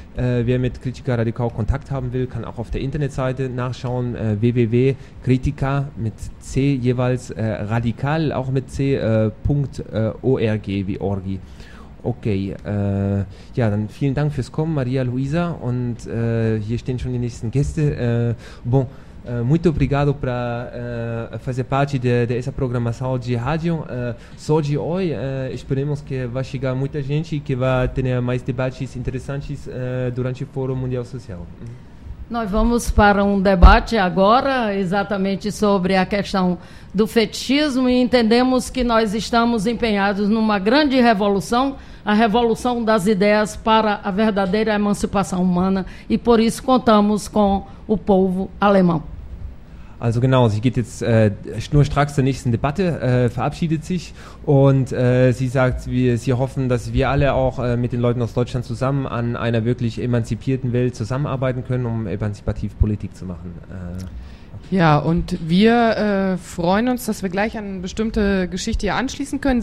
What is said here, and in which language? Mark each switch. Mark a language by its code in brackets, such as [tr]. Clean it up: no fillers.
[de] Wer mit Critica Radical Kontakt haben will, kann auch auf der Internetseite nachschauen, www.critica mit C jeweils, radikal auch mit C, .org wie Orgi. Okay, dann vielen Dank fürs Kommen, Maria Luisa, und hier stehen schon die nächsten Gäste. [pt] Muito obrigado para fazer parte dessa programação de rádio. Só de hoje, esperemos que vá chegar muita gente e que vá ter mais debates interessantes durante o Fórum Mundial Social. Nós vamos para um debate agora, exatamente sobre a questão do fetichismo, e entendemos que nós estamos empenhados numa grande revolução, a revolução das ideias para a verdadeira emancipação humana, e por isso contamos com o povo alemão. [de] Also genau, sie geht jetzt schnurstracks zur nächsten Debatte, verabschiedet sich, und sie sagt, sie hoffen, dass wir alle auch mit den Leuten aus Deutschland zusammen an einer wirklich emanzipierten Welt zusammenarbeiten können, um emanzipativ Politik zu machen. Ja, und wir freuen uns, dass wir gleich an eine bestimmte Geschichte hier anschließen können.